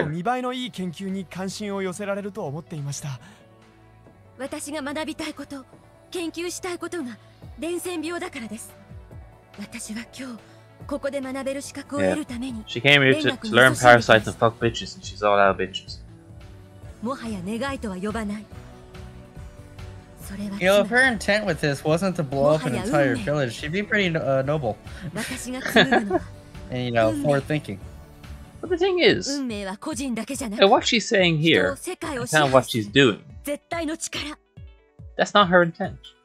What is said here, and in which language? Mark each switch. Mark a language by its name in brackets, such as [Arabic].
[Japanese] もっと見栄えのいい研究に関心を寄せられると思っていました。私が学びたいこと、研究したいことが伝染病だからです。私は今日ここで学べる資格を得るために、 [English] She came here to learn parasites and fuck bitches, and she's all out of bitches. [Japanese] もはや願いとは呼ばない。それは。 [English] You know, if her intent with this wasn't to blow up an entire village, she'd be pretty noble. [Japanese] 私が作るのは、 [English] and you know, forward thinking. But the thing is, what she's saying here, and what she's doing, that's not her intent.